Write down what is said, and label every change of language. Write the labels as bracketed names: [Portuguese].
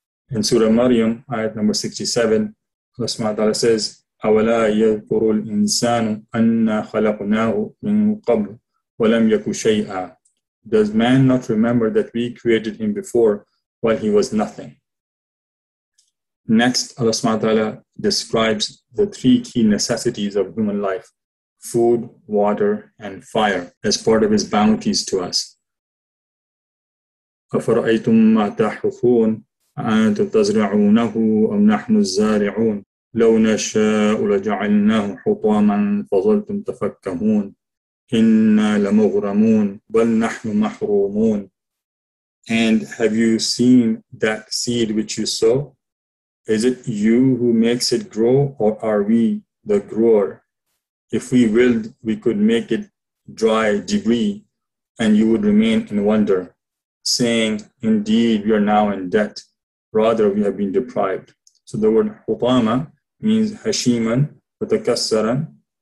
[English] In Surah Maryam, ayat number 67, Allah subhanahu wa ta'ala says, [Arabic] أَوَلَا يَذْكُرُ الْإِنسَانُ أَنَّا خَلَقْنَاهُ مِنْ قَبْلُ وَلَمْ يَكُ شَيْئًا [English] Does man not remember that we created him before while he was nothing? Next, Allah subhanahu wa ta'ala describes the three key necessities of human life, food, water, and fire, as part of his bounties to us. [Arabic] أَفَرَأَيْتُم مَّا تَحْرُثُونَ أَأَنتُمْ تَزْرَعُونَهُ أَمْ نَحْنُ الزَّارِعُونَ لَوْ نَشَاءُ لَجَعَلْنَاهُ حُطَامًا فَظَلْتُمْ تَفَكَّهُونَ إِنَّا لَمُغْرَمُونَ بَلْ نَحْنُ مَحْرُومُونَ [English] And have you seen that seed which you sow? Is it you who makes it grow, or are we the grower? If we willed, we could make it dry debris, and you would remain in wonder, saying, indeed, we are now in debt. Rather, we have been deprived. So the word hutama means hashiman, watakassaran,